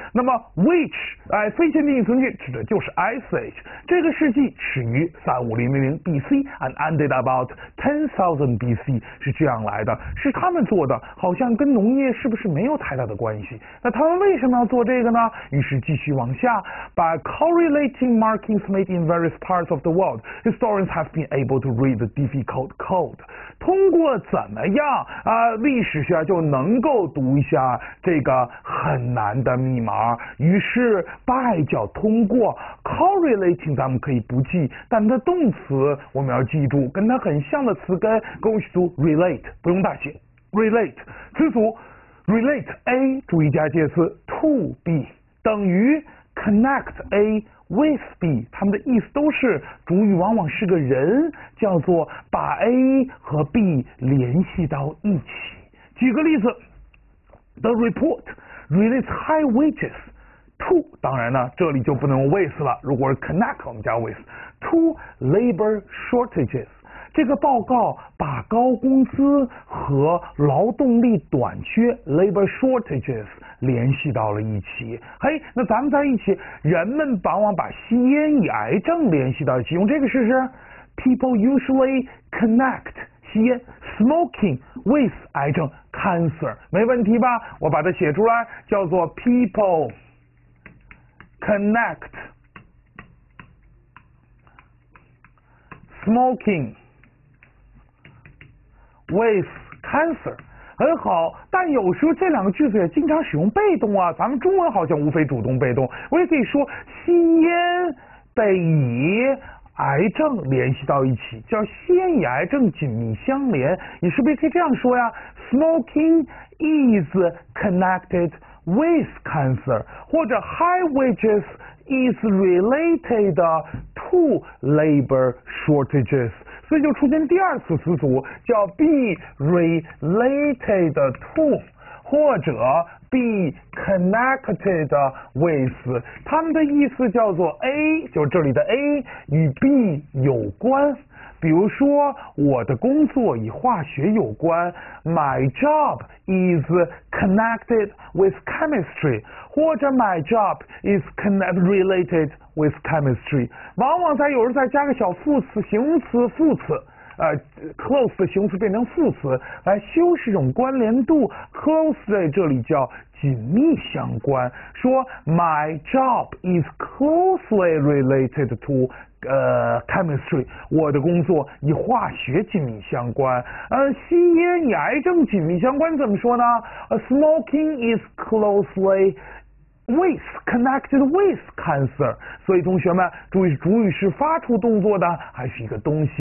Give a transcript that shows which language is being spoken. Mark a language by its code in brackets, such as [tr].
[zh] 那么 which 哎，非限定语从句指的就是 ice age。这个世纪始于3500 BC [en] and ended about 10,000 BC [zh] 是这样来的，是他们做的，好像跟农业是不是没有太大的关系？那他们为什么要做这个呢？于是继续往下 [en] by correlating markings。 Made in various parts of the world, historians have been able to read the difficult code. [zh] 通过怎么样啊，历史学家就能够读一下这个很难的密码。于是 by 叫通过 correlating 咱们可以不记，但它动词我们要记住，跟它很像的词根跟我去读 relate 不用大写 relate 词组 relate a 注意加介词 to b 等于 connect a。 [en] With B， [zh] 他们的意思都是主语往往是个人，叫做把 A 和 B 联系到一起。举个例子 ， [en] The report relates high wages to， [zh] 当然呢，这里就不能用 with 了，如果是 connect， 我们加 [en] with to labor shortages。 [zh] 这个报告把高工资和劳动力短缺 [en] labor shortages [zh] 联系到了一起。嘿，那咱们在一起，人们往往把吸烟与癌症联系到一起，用这个试试。 [en] People usually connect 吸烟 smoking with 癌症 cancer， [zh] 没问题吧？我把它写出来，叫做 [en] people connect smoking。 With cancer， [zh] 很好，但有时候这两个句子也经常使用被动啊。咱们中文好像无非主动被动，我也可以说吸烟被以癌症联系到一起，叫吸烟与癌症紧密相连。你是不是可以这样说呀 [en] ？Smoking is connected with cancer， 或者 high wages is related to labor shortages。 [zh] 所以就出现第二次词组，叫 [en] be related to， [zh] 或者 [en] be connected with， [zh] 他们的意思叫做 A， 就是这里的 A 与 B 有关。比如说，我的工作与化学有关 [en] ，My job is connected with chemistry， 或者 My job is related with chemistry。 [zh] 往往在有时候再加个小副词、形容词、副词，close 的形容词变成副词来修饰这种关联度。 Close 在这里叫紧密相关，说 [en] My job is closely related to。 [zh] chemistry， 我的工作与化学紧密相关。吸烟与癌症紧密相关怎么说呢？ [en] Smoking is closely connected with cancer。 [zh] 所以同学们注意，主语是发出动作的还是一个东西。